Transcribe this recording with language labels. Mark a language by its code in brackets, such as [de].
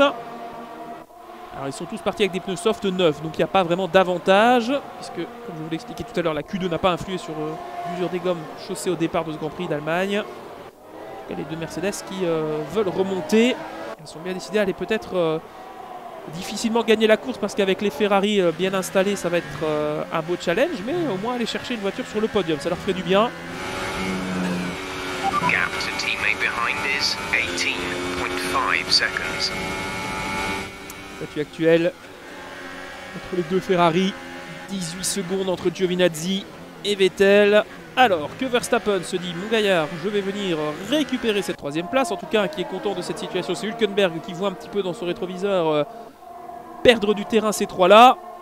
[fr] Alors ils sont tous partis avec des pneus soft neufs, donc il n'y a pas vraiment d'avantage, puisque comme je vous l'expliquais tout à l'heure, la Q2 n'a pas influé sur l'usure des gommes chaussées au départ de ce Grand Prix d'Allemagne. En tout cas, les deux Mercedes qui veulent remonter, elles sont bien décidées à aller peut-être difficilement gagner la course, parce qu'avec les Ferrari bien installés, ça va être un beau challenge, mais au moins aller chercher une voiture sur le podium, ça leur ferait du bien. [en] Gap to teammate behind is 18.5 seconds. [fr] Statut actuel entre les deux Ferrari, 18 secondes entre Giovinazzi et Vettel. Alors que Verstappen se dit, mon gaillard, je vais venir récupérer cette troisième place. En tout cas, qui est content de cette situation, c'est Hülkenberg qui voit un petit peu dans son rétroviseur perdre du terrain ces trois-là.